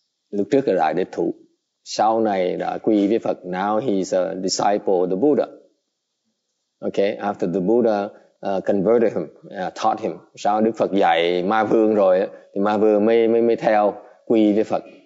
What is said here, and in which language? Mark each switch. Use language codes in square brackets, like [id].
[vi] lúc trước là đại đệ tử, sau này đã quy với Phật. [en] Now he's a disciple of the Buddha. Okay, after the Buddha converted him, taught him. [vi] Sau Đức Phật dạy Ma Vương rồi, thì Ma Vương mới theo quy với Phật.